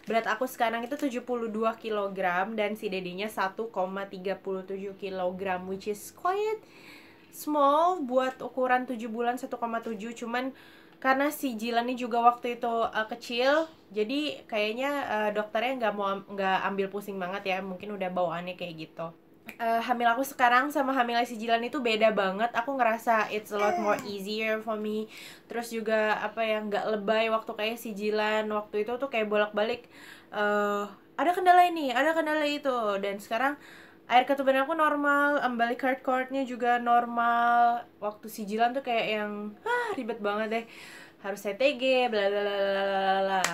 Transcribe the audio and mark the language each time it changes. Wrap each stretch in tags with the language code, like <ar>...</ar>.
<id>Berat aku sekarang itu 72 kg dan si dedinya 1,37 kg</id> <en>which is quite small</en> <id>buat ukuran 7 bulan 1,7, cuman karena si Jilani juga waktu itu kecil, jadi kayaknya dokternya nggak ambil pusing banget ya, mungkin udah bawaannya kayak gitu. Hamil aku sekarang sama hamil si Jilani itu beda banget. Aku ngerasa</id> <en>it's a lot more easier for me.</en> <id>Terus juga apa ya, nggak lebay waktu kayak si Jilan waktu itu tuh kayak bolak-balik ada kendala ini, ada kendala itu, dan sekarang air ketuban aku normal, umbilical cord-nya juga normal. Waktu si Jilan tuh kayak yang ribet banget deh, harus CTG, bla bla bla bla bla.</id>